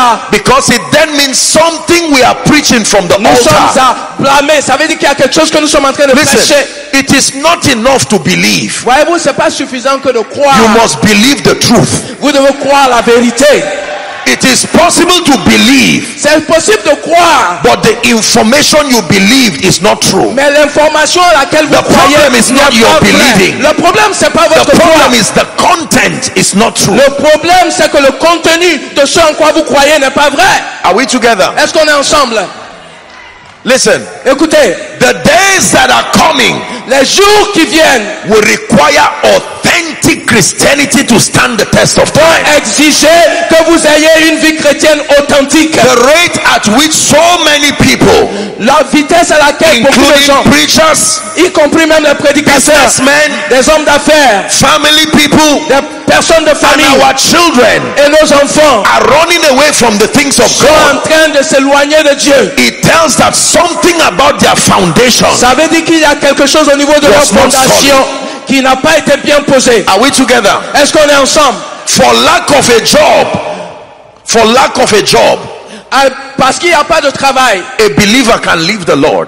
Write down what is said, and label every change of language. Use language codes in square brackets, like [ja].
[en] Because it then means something we are preaching from the [fr] nous [en] altar. [fr] Blâmer, ça veut dire qu'il y a quelque chose que nous sommes en train de [en] Listen, [fr] prêcher. [en] It is not enough to believe. [fr] Voyez-vous, c'est pas suffisant que de croire. [en] You must believe the truth. [fr] Vous devez croire la vérité. [en] It is possible to believe. [fr] C'est possible de croire. [en] But the information you believed is not true. [fr] Mais l'information à laquelle vous croyez n'est pas vraie. [en] The problem is not your believing. [fr] Le problème c'est pas votre [en] croix. The problem [fr] croix. [en] Is the content is not true. [fr] Le problème c'est que le contenu de ce en quoi vous croyez n'est pas vrai. [en] Are we together? [fr] Est-ce qu'on est ensemble? [en] Listen. [fr] Écoutez. [en] The days that are coming, [fr] les jours qui viennent, [en] will require authentic Christianity to stand the test of time. [fr] Exiger que vous ayez une vie chrétienne authentique. [en] The rate at which so many people, [fr] la vitesse à laquelle [en] including [fr] beaucoup de gens, [en] preachers, [fr] y compris même les prédicateurs, [en] businessmen, [fr] des hommes d'affaires, [en] family people, [fr] des personnes de famille, [en] and our children, [fr] et nos enfants, [en] are running away from the things of God. [fr] Sont en train de s'éloigner de Dieu. [en] It tells that something about their foundation. [fr] Ça veut dire qu'il y a quelque chose au niveau de leur fondation qui n'a pas été bien posé. [en] Are we together? [fr] Est-ce qu'on est ensemble? [en] For lack of a job, for lack of a job, [fr] parce qu'il n'y a pas de travail, [en] a believer can leave the Lord.